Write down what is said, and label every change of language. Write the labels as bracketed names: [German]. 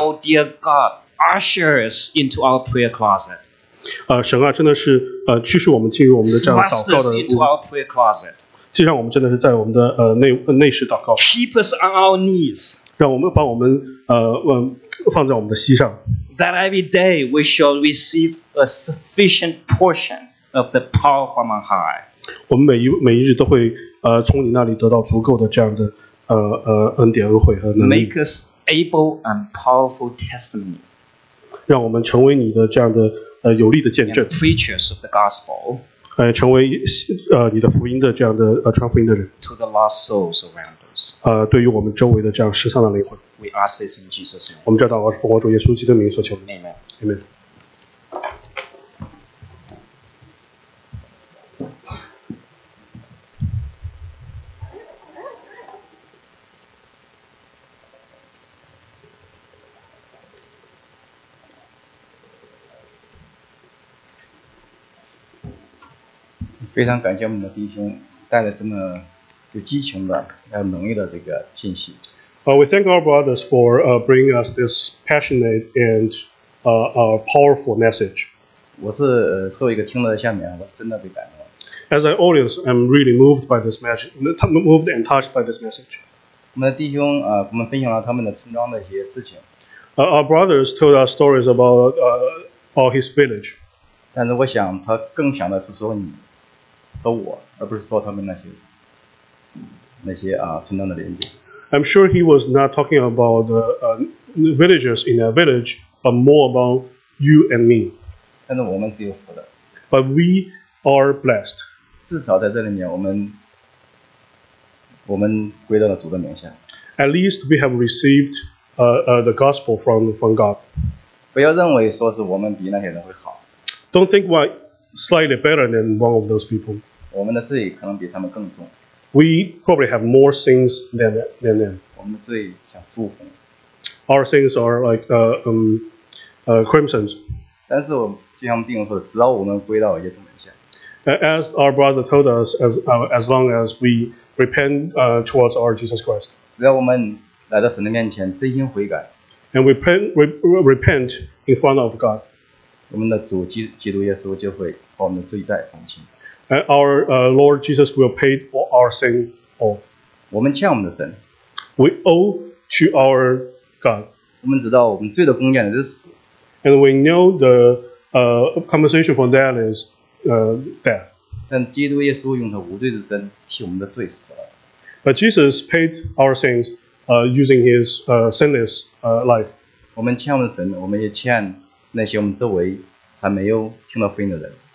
[English] Oh dear God, usher us into our prayer closet. [Chinese] 神啊，真的是驱使我们进入我们的这样祷告的屋。 [English] Thrust us into our prayer closet. [Chinese] 就让我们真的是在我们的内室祷告。 [English] Keep us on our knees. [Chinese] 让我们把我们放在我们的膝上。 [English] That every day we shall receive a sufficient portion of the power from on high. [Chinese] 我们每一日都会从你那里得到足够的这样的恩典恩惠和能力。 [English] Make us able and powerful testimony. [Chinese] 让我们成为你的这样的有力的见证。 [English] And preachers of the gospel. [Chinese] 成为你的福音的这样的传福音的人。 [English] To the lost souls around us. [Chinese] 对于我们周围的这样失丧的灵魂。 [English] We ask this in Jesus' name. [Chinese] 我们这祷告是奉我主耶稣基督的名所求。 [English] Amen. Amen. [Chinese] 非常感谢我们的弟兄带来这么有激情的、有能力的这个信息。 [English] We thank our brothers for bringing us this passionate and a powerful message. [Chinese] 我是做一个听了下面，我真的被感动了。 [English] As an audience, I'm really moved by this message, moved and touched by this message. [Chinese] 我们的弟兄我们分享了他们的村庄的一些事情。 [English] Our brothers told us stories about all his village. [Chinese] 但是我想他更想的是说你和我，而不是说他们那些。 [English] I'm sure he was not talking about the villagers in that village, but more about you and me. [Chinese] 但是我们是有福的。 [English] But we are blessed. [Chinese] 至少在这里面我们归到了主的名下。 [English] At least we have received the gospel from God. [Chinese] 不要认为说是我们比那些人会好。 [English] Don't think we're slightly better than one of those people. [Chinese] 我们的罪可能比他们更重。 [English] We probably have more sins than them. [Chinese] 我们自己想复活。 [English] Our sins are like crimsons. [Chinese] 但是我就像弟兄说的，只要我们归到耶稣门下。 [English] As our brother told us, as long as we repent towards our Jesus Christ. [Chinese] 只要我们来到神的面前真心悔改。 [English] And repent in front of God. [Chinese] 我们的主基督耶稣就会把我们的罪债还清。 [English] And our Lord Jesus will pay for our sin all. [Chinese] 我们欠我们的神。 [English] We owe to our God. [Chinese] 我们知道我们罪的公价就是死。 [English] And we know the compensation for that is death. [Chinese] 但基督耶稣用他无罪的身替我们的罪死了。 [English] But Jesus paid our sins using his sinless life. [Chinese] 我们欠我们的神，我们也欠那些我们周围还没有听到福音的人。